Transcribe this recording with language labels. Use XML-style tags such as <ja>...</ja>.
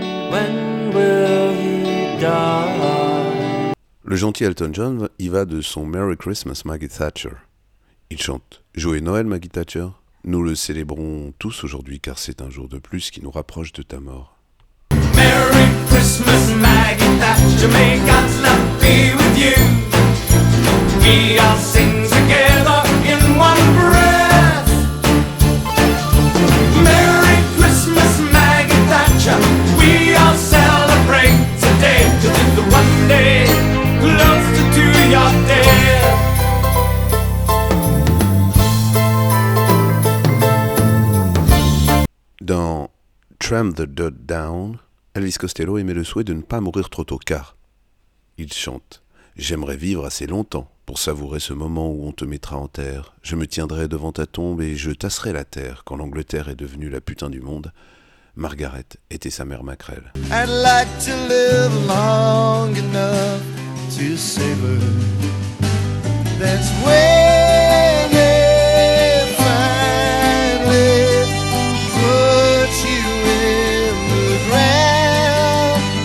<en>When will you die? »</en> <fr>Le gentil Elton John y va de son Merry Christmas Maggie Thatcher. Il chante « Joyeux Noël Maggie Thatcher ». Nous le célébrons tous aujourd'hui car c'est un jour de plus qui nous rapproche de ta mort.</fr> <en>Merry Christmas, Maggie Thatcher, may God's love be with you. We all sing together in one breath. Merry Christmas, Maggie Thatcher, we all celebrate today to be the one day closer to your death.</en> <fr>Dans Tramp the Dirt Down, Elvis Costello émet le souhait de ne pas mourir trop tôt car il chante « J'aimerais vivre assez longtemps pour savourer ce moment où on te mettra en terre. Je me tiendrai devant ta tombe et je tasserai la terre quand l'Angleterre est devenue la putain du monde. » Margaret était sa mère mackerel.</fr> <en>I'd like to live long enough to savor. That's when it finally puts you in the ground.</en>